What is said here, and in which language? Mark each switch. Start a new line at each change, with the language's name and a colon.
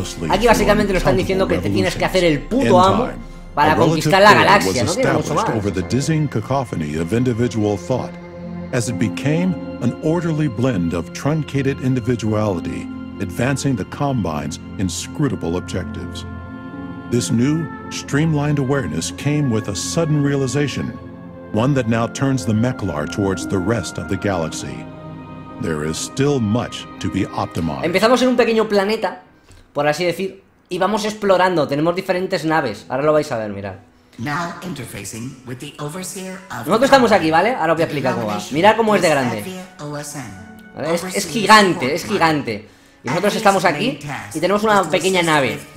Spanish: Aquí básicamente nos están diciendo que te tienes que hacer el puto amo para conquistar la galaxia, ¿no? Tiene mucho más.
English: Over the dizzying cacophony of individual thought, as it became an orderly blend of truncated individuality, advancing the Combine's inscrutable objectives. This new, streamlined awareness came with a sudden realization, one that now turns the Mechlar towards the rest of the galaxy. There is still much to be optimized.
Spanish: Empezamos en un pequeño planeta, por así decir, y vamos explorando. Tenemos diferentes naves. Ahora lo vais a ver, mirad.
English: Now interfacing with the overseer of
Spanish: nosotros estamos aquí, ¿vale? Ahora os voy a explicar cómo va. Mirad cómo es de grande. ¿Vale? Es gigante, es gigante. Y nosotros estamos aquí y tenemos una pequeña nave.